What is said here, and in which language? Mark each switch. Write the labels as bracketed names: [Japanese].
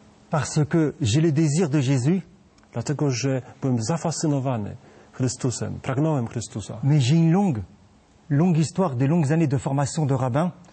[French] Parce que j'ai le désir de Jésus. [Polish] Dlatego, że byłem zafascynowany Chrystusem, pragnąłem Chrystusa. [French] Mais j'ai une longue histoire, des longues années de formation de rabbin.